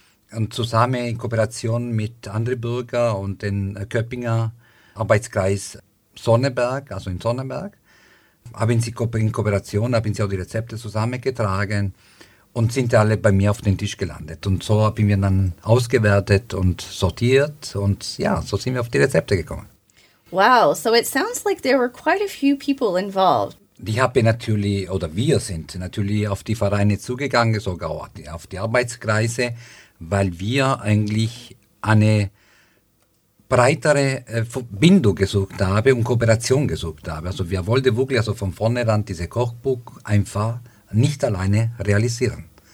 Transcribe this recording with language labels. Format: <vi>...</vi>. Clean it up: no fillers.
<de>Und zusammen in Kooperation mit anderen Bürgern und dem Köpinger Arbeitskreis Sonneberg, also in Sonneberg, haben sie in Kooperation, haben sie auch die Rezepte zusammengetragen und sind alle bei mir auf den Tisch gelandet. Und so haben wir dann ausgewertet und sortiert und ja, so sind wir auf die Rezepte gekommen.</de> <en>Wow, so it sounds like there were quite a few people involved.</en> <de>Ich habe natürlich, oder wir sind natürlich auf die Vereine zugegangen, sogar auf die Arbeitskreise, weil wir eigentlich eine breitere Verbindung gesucht haben und Kooperation gesucht haben. Also wir wollten wirklich also von vornherein dieses Kochbuch einfach nicht alleine realisieren.</de>